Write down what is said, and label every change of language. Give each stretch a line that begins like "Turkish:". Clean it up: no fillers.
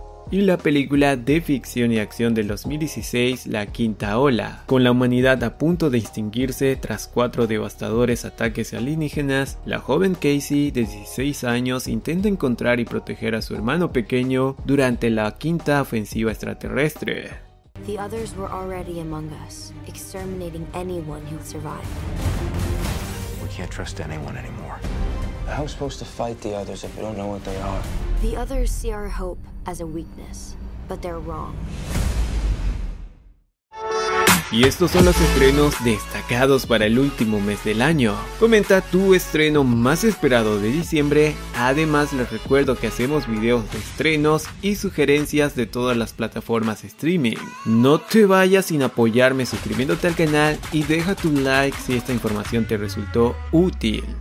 Spanish: Y la película de ficción y acción del 2016, La Quinta Ola, con la humanidad a punto de extinguirse tras cuatro devastadores ataques alienígenas, la joven Casey, de 16 años, intenta encontrar y proteger a su hermano pequeño durante la quinta ofensiva extraterrestre.
English: The others were already among us, exterminating anyone who survived. We can't trust anyone anymore. How are we supposed to fight the others if we don't know what they are? The others see our hope as a weakness, but they're wrong.
Spanish: Y estos son los estrenos destacados para el último mes del año. Comenta tu estreno más esperado de diciembre. Además, les recuerdo que hacemos videos de estrenos y sugerencias de todas las plataformas de streaming. No te vayas sin apoyarme suscribiéndote al canal y deja tu like si esta información te resultó útil.